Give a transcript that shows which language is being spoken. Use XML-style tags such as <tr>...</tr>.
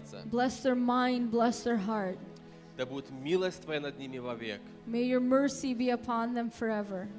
<en>Bless their mind, bless their heart.</en> <ru>Да будет милость твоя над ними вовек.</ru> <en>May your mercy be upon them forever.</en>